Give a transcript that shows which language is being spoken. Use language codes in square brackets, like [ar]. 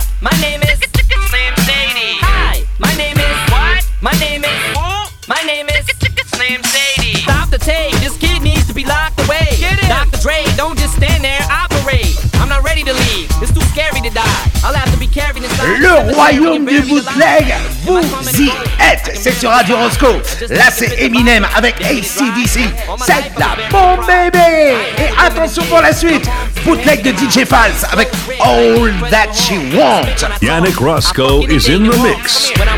[en] My name is Slim Shady. Hi, my name is what? My name is who? My name is Slim Shady. Stop the tape, this kid needs to be locked away. Get him. Dr. Dre, don't just stand there, operate. I'm not ready to leave, it's too scary to die. I'll have to be carried inside. [fr] Le royaume du bootleg, vous y êtes. C'est sur Radio Rosco. Là c'est Eminem avec AC/DC. C'est la bombe baby. Et attention pour la suite, bootleg de DJ False avec All That She Wants. [en] Yannick Rosco is in the mix.